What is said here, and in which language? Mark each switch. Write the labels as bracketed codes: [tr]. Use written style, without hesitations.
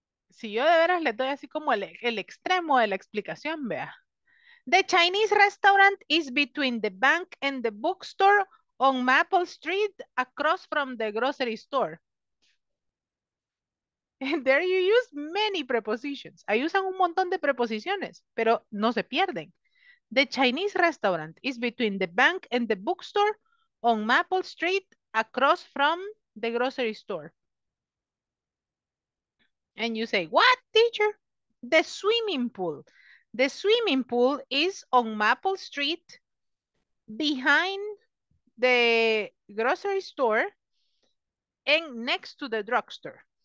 [es] Si yo de veras les doy así como el extremo de la explicación, vea. [en] The Chinese restaurant is between the bank and the bookstore on Maple Street across from the grocery store. And there you use many prepositions. [es] Ahí usan un montón de preposiciones, pero no se pierden. [en] The Chinese restaurant is between the bank and the bookstore on Maple Street across from the grocery store. And you say, what, teacher? The swimming pool. The swimming pool is on Maple Street behind the grocery store and next to the drugstore.